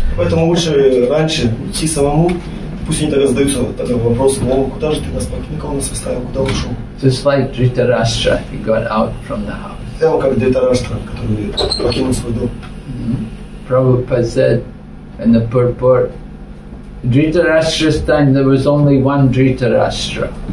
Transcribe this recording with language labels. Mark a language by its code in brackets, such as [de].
[ru] Поэтому лучше раньше идти самому, пусть они тогда задаются такой вопрос, мол, куда же ты нас покинул, нас оставил, куда ушел? [en] Just like Dhritarashtra, he got out from the house. [ru] Прямо как Дхритарашта, который покинул свой дом. [en] Prabhupada said in the purport, Dhritarashtra's time there was only one Dhritarashtra.